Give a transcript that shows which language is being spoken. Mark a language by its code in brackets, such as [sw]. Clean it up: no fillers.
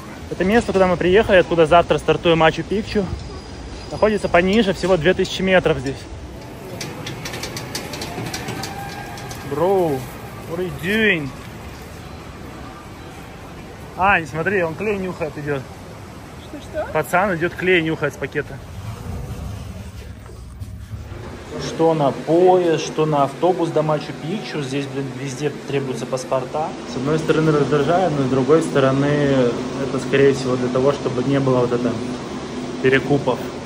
[ru] Это место, куда мы приехали, откуда завтра стартуем Мачу-Пикчу. Находится пониже, всего 2000 метров здесь. [en] Бро, what are you doing? [ru] Ань, смотри, он клей нюхает, идет. Что-что? Пацан идет клей нюхает с пакета. Что на поезд, что на автобус до Мачу-Пикчу. Здесь, блин, везде требуются паспорта. С одной стороны раздражает, но с другой стороны, это, скорее всего, для того, чтобы не было вот это перекупов.